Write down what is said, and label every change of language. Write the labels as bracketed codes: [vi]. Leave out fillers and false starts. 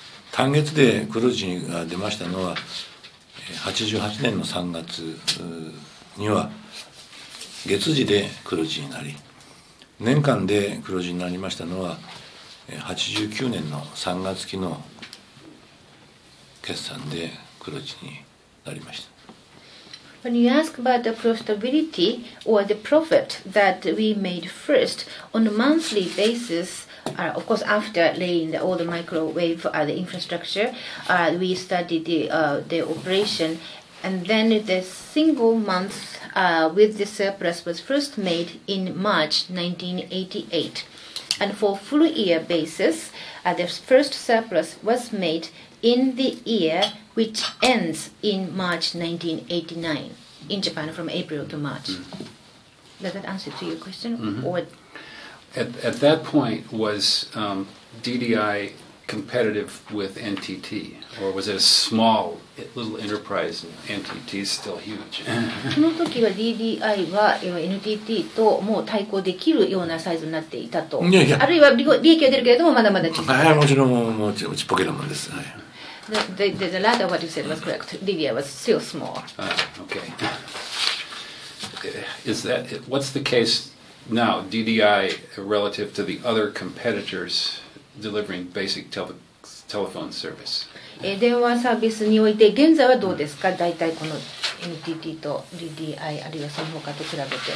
[ja] 単月で黒字が出ましたのは88年の3月には月次で黒字になり、年間で黒字になりましたのは89年の3月期の決算で黒字になりました。 [en] When you ask about the profitability or the profit that we made first on a monthly basis, of course after laying all the microwave the infrastructure, we studied the operation, and then the single month with the surplus was first made in March 1988, and for full year basis, the first surplus was made. In the year which ends in March 1989 in Japan from April to March.、Mm. Does that answer to your question?、 Mm-hmm. Or at that point, was DDI competitive with NTT? Or was it a small little enterprise and NTT is still huge? [ja] その時は DDI は NTT ともう対抗できるようなサイズになっていたと。いやいや。あるいは利益は出るけれども、まだまだ小さい。はい、もちろん、もうちっぽけなもんです。はい。 [en] The latter what you said was correct. DDI was still small. Okay. Is that, what's the case now, DDI, relative to the other competitors delivering basic telephone service? [ja] 電話サービスにおいて現在はどうですか、大体この NTT と DDI あるいはその他と比べて。